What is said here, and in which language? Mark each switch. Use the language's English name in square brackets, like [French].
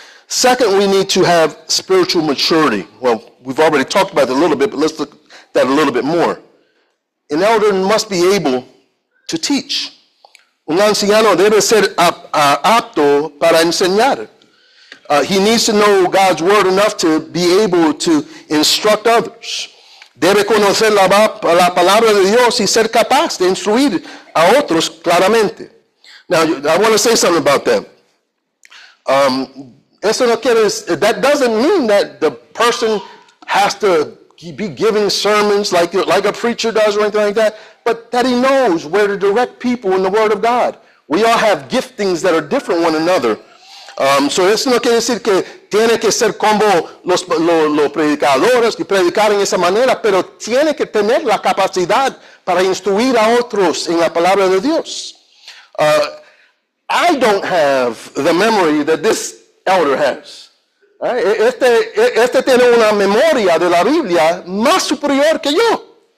[English] Second, we need to have spiritual maturity. Well, we've already talked about it a little bit, but let's look at that a little bit more. An elder must be able to teach. [Spanish] Un anciano debe ser apto para enseñar. [English] He needs to know God's word enough to be able to instruct others. [Spanish] Debe conocer la palabra de Dios y ser capaz de instruir a otros claramente. [English] Now, I want to say something about that. That doesn't mean that the person has to be giving sermons like a preacher does or anything like that, but that he knows where to direct people in the word of God. We all have giftings that are different one another. [Spanish] So eso no quiere decir que tiene que ser como los predicadores que predicar en esa manera, pero tiene que tener la capacidad para instruir a otros en la palabra de Dios. [English] I don't have the memory that this elder has. [Spanish] Este tiene una memoria de la Biblia más superior que yo.